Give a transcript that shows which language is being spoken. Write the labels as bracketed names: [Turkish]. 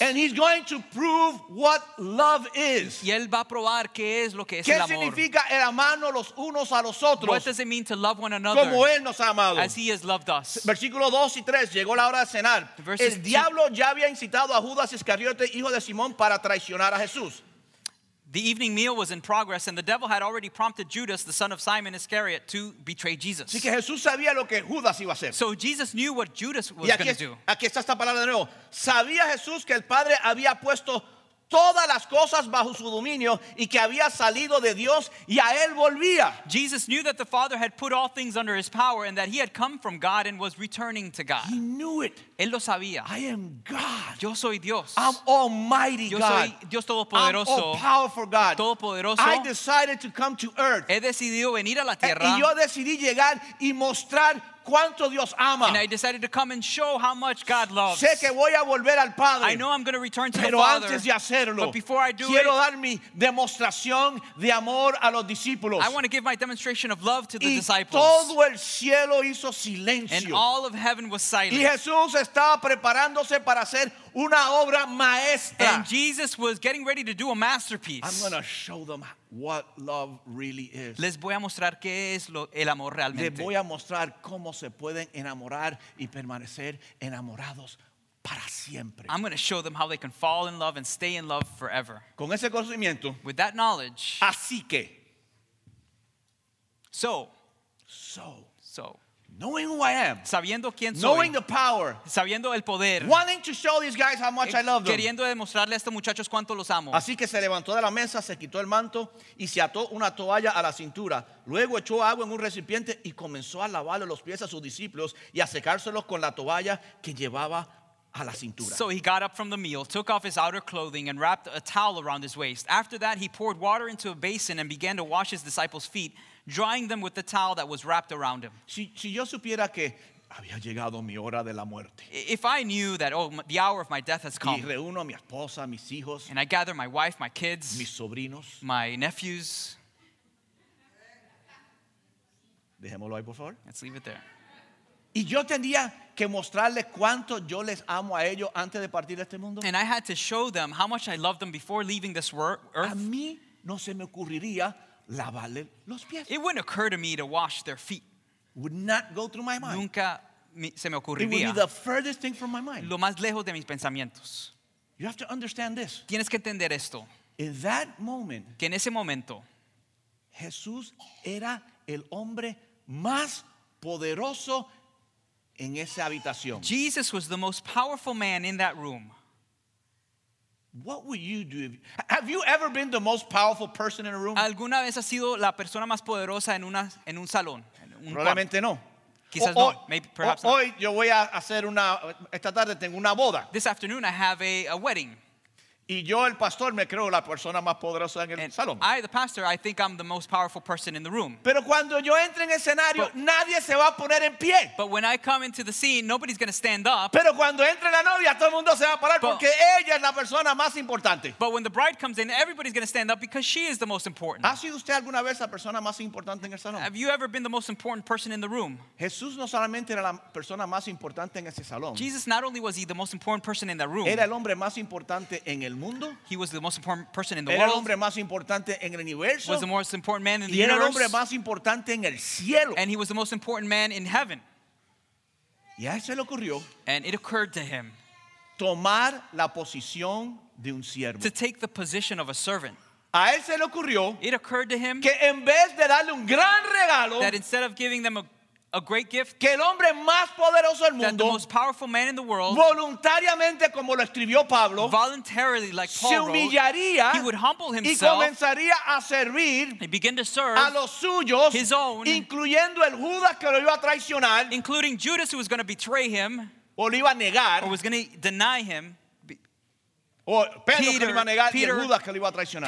[English] And he's going to prove what love is. [Spanish] Y él va a probar qué es lo que es ¿qué el amor? Significa el amarnos los unos a los otros? [English] What does it mean to love one another? [Spanish] Como él nos ha amado. [English] As he has loved us. [Spanish] Versículo 2 y 3, llegó la hora de cenar. El diablo ya había incitado a Judas Iscariote, hijo de Simón, para traicionar a Jesús. [English] The evening meal was in progress, and the devil had already prompted Judas, the son of Simon Iscariot, to betray Jesus. [Spanish] Así que Jesús sabía lo que Judas iba a hacer. [English] So Jesus knew what Judas was [Spanish] y aquí, [English] going to do. [Spanish] Aquí está esta palabra de nuevo. Sabía Jesús que el Padre había puesto todas las cosas bajo su dominio y que había salido de Dios y a él volvía. [English] Jesus knew that the Father had put all things under his power and that he had come from God and was returning to God. He knew it. [Spanish] Él lo sabía. [English] I am God. [Spanish] Yo soy Dios. [English] I'm Almighty God. [Spanish] Yo soy Dios Todopoderoso. [English] I'm All-Powerful God. [Spanish] Todopoderoso. [English] I decided to come to earth. [Spanish] He decidido venir a la tierra. Y yo decidí llegar y mostrar cuánto Dios ama. [English] And I decided to come and show how much God loves. [Spanish] Sé que voy a volver al Padre. [English] I know I'm going to return to [Spanish] pero [English] the Father. [Spanish] Antes de hacerlo, [English] but before I do [Spanish] quiero [English] it, [Spanish] dar mi demostración de amor a los discípulos. [English] I want to give my demonstration of love to the [Spanish] y [English] disciples. [Spanish] Todo el cielo hizo silencio. [English] And all of heaven was silent. [Spanish] Y Jesús estaba preparándose para hacer una obra maestra. [English] And Jesus was getting ready to do a masterpiece. I'm going to show them what love really is. [Spanish] Les voy a mostrar qué es el amor realmente. Les voy a mostrar cómo se pueden enamorar y permanecer enamorados para siempre. [English] I'm going to show them how they can fall in love and stay in love forever. [Spanish] Con ese conocimiento. [English] With that knowledge. [Spanish] Así que. [English] So. So. So. Knowing who I am, [Spanish] sabiendo quién soy, [English] knowing the power, [Spanish] sabiendo el poder, [English] wanting to show these guys how much I love them, [Spanish] queriendo demostrarle a estos muchachos cuánto los amo. Así que se levantó de la mesa, se quitó el manto y se ató una toalla a la cintura. Luego echó agua en un recipiente y comenzó a lavarle los pies a sus discípulos y a secárselos con la toalla que llevaba a la cintura. [English] So he got up from the meal, took off his outer clothing and wrapped a towel around his waist. After that, he poured water into a basin and began to wash his disciples' feet, drying them with the towel that was wrapped around him. [Spanish] Si yo supiera que había llegado mi hora de la muerte. [English] If I knew that, oh, the hour of my death has come. [Spanish] Y reúno a mi esposa, mis hijos. [English] And I gather my wife, my kids. [Spanish] Mis sobrinos. [English] My nephews. [Spanish] Dejémoslo ahí, por favor. [English] Let's leave it there. [Spanish] Y yo tendría que mostrarles cuánto yo les amo a ellos antes de partir de este mundo. [English] And I had to show them how much I loved them before leaving this earth. [Spanish] A mí no se me ocurriría lavarle los pies. [English] It wouldn't occur to me to wash their feet. Would not go through my mind. [Spanish] Nunca se me ocurriría. [English] It would be the furthest thing from my mind. [Spanish] Lo más lejos de mis pensamientos. [English] You have to understand this. [Spanish] Tienes que entender esto. [English] In that moment, [Spanish] que en ese momento, Jesús era el hombre más poderoso en esa habitación. [English] Jesus was the most powerful man in that room. What would you do? Have you ever been the most powerful person in a room? [Spanish] ¿Alguna vez has sido la persona más poderosa en una en un salón? Probablemente no. Quizás no. [English] Maybe perhaps not. [Spanish] Hoy yo voy a hacer una esta tarde tengo una boda. [English] This afternoon I have a wedding. [Spanish] Y yo el pastor me creo la persona más poderosa en el salón. [English] I the pastor I think I'm the most powerful person in the room. [Spanish] Pero cuando yo entre en el escenario nadie se va a poner en pie. [English] But when I come into the scene nobody's going to stand up. [Spanish] Pero cuando entre la novia todo el mundo se va a parar porque ella es la persona más importante. [English] But when the bride comes in everybody's going to stand up because she is the most important. [Spanish] ¿Ha sido usted alguna vez la persona más importante en el salón? [English] Have you ever been the most important person in the room? [Spanish] Jesús no solamente era la persona más importante en ese salón. [English] Jesus not only was he the most important person in that room. [Spanish] Era el hombre más importante en el [English] He was the most important person in the [Spanish] era [English] world. [Spanish] El hombre más importante en el universo. [English] Was the most important man in the universe. [Spanish] Era el hombre más importante en el cielo. [English] And he was the most important man in heaven. [Spanish] Y a él se le ocurrió. [English] And it occurred to him. [Spanish] Tomar la posición de un siervo. [English] To take the position of a servant. [Spanish] A él se le ocurrió. [English] It occurred to him. [Spanish] Que en vez de darle un gran regalo. [English] That instead of giving them a great gift. [Spanish] Que el hombre más poderoso del mundo, [English] that the most powerful man in the world. [Spanish] Voluntariamente como lo escribió Pablo. [English] Voluntarily like Paul [Spanish] se humillaría, [English] wrote. He would humble himself. [Spanish] Y comenzaría a servir. [English] He began to serve. [Spanish] A los suyos. [English] His own. [Spanish] Incluyendo el Judas que lo iba a traicionar. [English] Including Judas who was going to betray him. [Spanish] O lo iba a negar. [English] Or was going to deny him. [Spanish] O Pedro Peter, que lo iba a negar Peter, y el Judas que lo iba a traicionar.